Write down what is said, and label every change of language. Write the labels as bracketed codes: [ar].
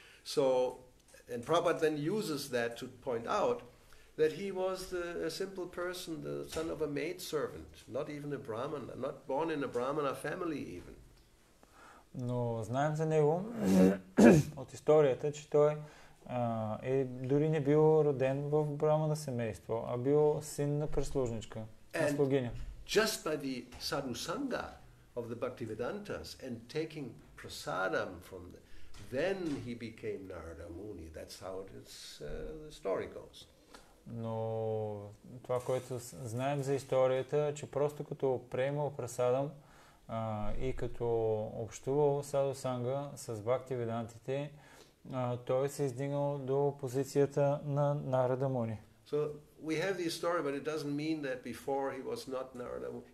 [en] So, and Prabhupada then uses that to point out that he was a simple person, the son of a maid servant, not even a Brahmin, not born in a Brahmana family even. [bg] Но знаем за него от историята, че той е дори не бил роден в Брахмана семейство, а бил син на прислужничка. [en] And just by the sadhu sangha of the Bhaktivedantas and taking prasadam from them, then he became Narada Muni. That's how the story goes. [bg] Но това, което знаем за историята, че просто като приемал прасадам и като общувал sadhu sangha с Bhaktivedantите, той се издигнал до позицията на Narada Muni. [en] So we have this story, but it doesn't mean that before he was not Narada Muni.